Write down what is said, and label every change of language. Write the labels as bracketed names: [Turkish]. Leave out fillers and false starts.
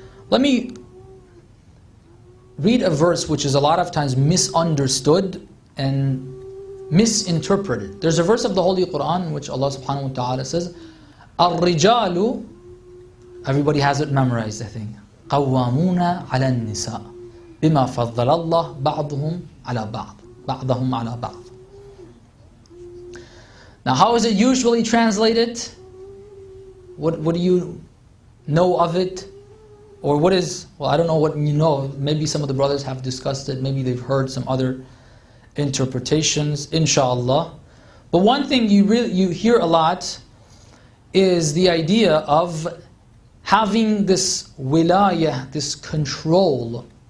[English] Let me read a verse which is a lot of times misunderstood and misinterpreted. There's a verse of the Holy Quran which Allah subhanahu wa ta'ala says, [Arabic] الرجالو, [English] everybody has it memorized, I think. [Arabic] قوامون على النساء بما فضل الله بعضهم على بعض بعضهم على بعض. [English] Now, how is it usually translated? What do you know of it? Or what is, well, I don't know what you know. Maybe some of the brothers have discussed it. Maybe they've heard some other interpretations, inshallah. But one thing you hear a lot is the idea of having this wilayah, this control.